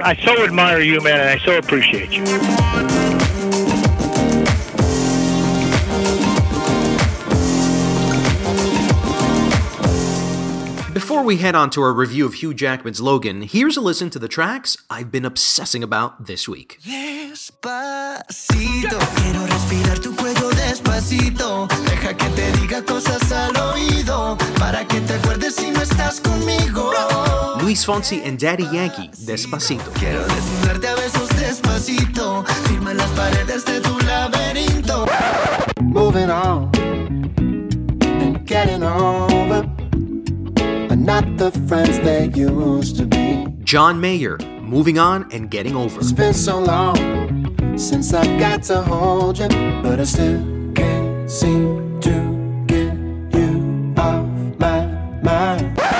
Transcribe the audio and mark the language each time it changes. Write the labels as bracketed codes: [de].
[en] I so admire you, man, and I so appreciate you. Before we head on to our review of Hugh Jackman's Logan, here's a listen to the tracks I've been obsessing about this week. [es] Despacito, quiero respirar tu cuello despacito. Deja que te diga cosas al oído para que te acuerdes si no estás conmigo. Luis Fonsi and Daddy Yankee, Despacito. Quiero desnudarte a besos despacito. Firma las paredes de tu laberinto. [en] Moving on and getting over. Not the friends that you used to be. John Mayer, Moving On and Getting Over. It's been so long since I got to hold you, but I still can't seem to get you off my mind.